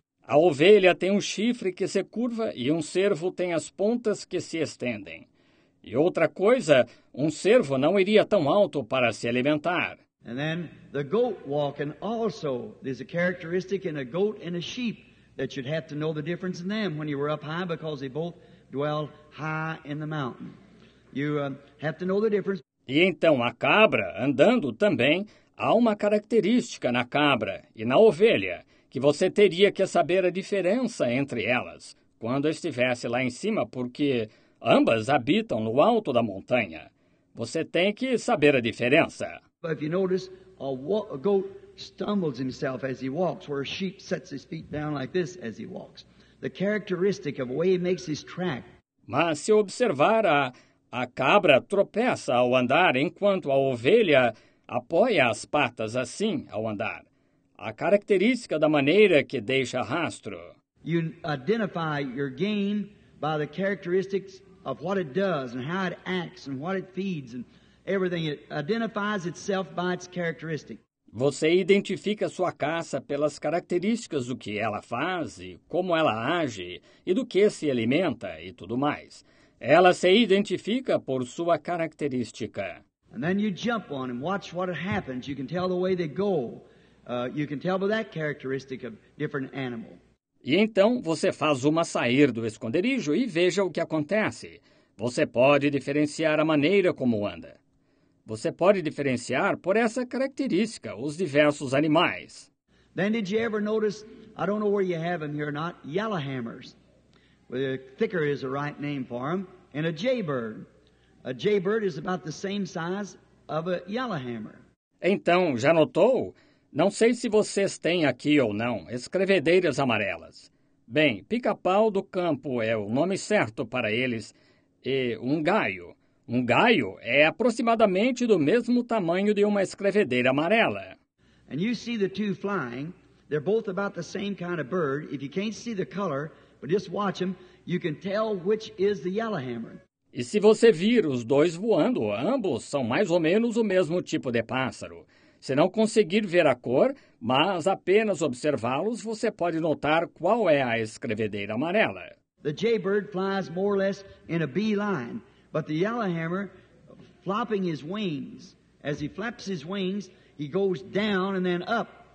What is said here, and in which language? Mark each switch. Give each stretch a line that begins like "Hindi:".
Portuguese: A ovelha tem um chifre que se curva e um cervo tem as pontas que se estendem. E outra coisa, um cervo não iria tão alto para se alimentar.
English: And then the goat walking also, there's a characteristic in a goat and a sheep that you'd have to know the difference in them when you were up high because they both dwell high in the mountain. You have to know the difference.
Portuguese: E então a cabra andando também há uma característica na cabra e na ovelha que você teria que saber a diferença entre elas quando estivesse lá em cima, porque ambas habitam no alto da montanha. Você tem que saber a diferença.
English: But if you notice, a goat stumbles himself as he walks, where a sheep sets his feet down like this as he walks. The characteristic of the way he makes his track.
Portuguese: Mas se observar, a cabra tropeça ao andar enquanto a ovelha apoia as patas assim ao andar. A característica da maneira que deixa rastro.
English: You identify your game by the characteristics of what it does and how it acts and what it feeds and everything. It identifies itself by its characteristic.
Portuguese: Você identifica sua caça pelas características do que ela faz e como ela age e do que se alimenta e tudo mais. Ela se identifica por sua característica.
English: And then you jump on and watch what happens. You can tell the way they go. You can tell by that characteristic of different animal.
Portuguese: E então você faz uma sair do esconderijo e veja o que acontece. Você pode diferenciar a maneira como anda. Você pode diferenciar por essa característica os diversos animais.
English: Then did you ever notice, I don't know where you have them here or not, yellowhammers. Well, thicker is the right name for them. And a jaybird. A jaybird is about the same size of a yellowhammer.
Portuguese: Então, já notou? Não sei se vocês têm aqui ou não escrevedeiras amarelas. Bem, pica-pau do campo é o nome certo para eles. E um gaio. Um gaio é aproximadamente do mesmo tamanho de uma escrevedeira amarela.
English: And you see the two flying. They're both about the same kind of bird. If you can't see the color, but just watch them, you can tell which is the yellowhammer.
Portuguese: E se você vir os dois voando, ambos são mais ou menos o mesmo tipo de pássaro. Se não conseguir ver a cor, mas apenas observá-los, você pode notar qual é a escrevedeira amarela.
English: The jaybird flies more or less in a bee line, but the yellowhammer flapping his wings. As he flaps his wings, he goes down and then up.